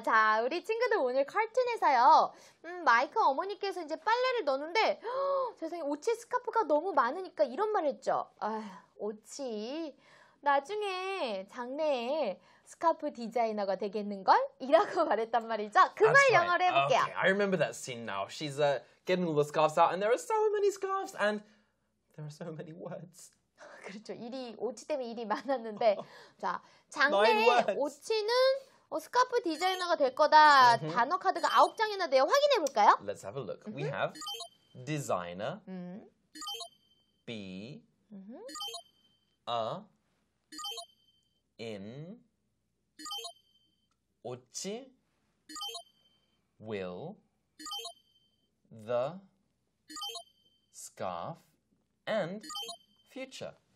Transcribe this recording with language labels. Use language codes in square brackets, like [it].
[ko] 자, 우리 친구들 오늘 카툰에서요. 마이크 어머니께서 이제 빨래를 넣는데 세상에 오치 스카프가 너무 많으니까 이런 말 했죠. 아, 오치 나중에 장래에 스카프 디자이너가 되겠는걸? 이라고 말했단 말이죠. 그 말 [en] right. [ko] 영어로 해볼게요. [en] Okay, I remember that scene now. She's getting all the scarves out and there are so many scarves and there are so many words. [ko] 그렇죠. 일이 오치 때문에 일이 많았는데 자, 장래에 오치는 스카프 디자이너가 될 거다. Mm-hmm. 단어 카드가 아홉 장이나 돼요. 확인해 볼까요? [en] Let's have a look. Mm-hmm. We have designer, mm-hmm. be, mm-hmm. a, in, 오치, will, the, scarf, and future.